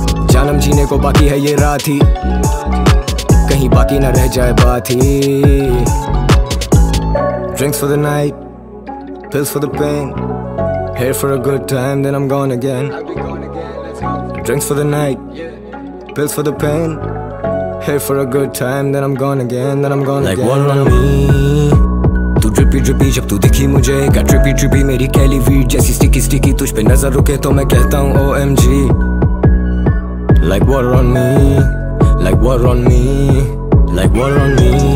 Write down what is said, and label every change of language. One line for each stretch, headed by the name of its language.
Hindi: जानम जीने को बाकी है ये रात ही, कहीं बाकी ना रह जाए बात ही.
English: Drinks for the night, pills for the pain. Here for a good time, then I'm gone again. Drinks for the night, pills for the pain. Here for a good time, then I'm gone again, then I'm gone again. Like water on me.
Hindi: तू
English: drippy drippy
Hindi: जब तू दिखी मुझे का
English: trippy trippy
Hindi: मेरी Kelly weed जैसी
English: sticky sticky
Hindi: तुझ पे नजर रुके तो मैं कहता हूँ OMG.
English: Like water on me, like water on me, like water on me.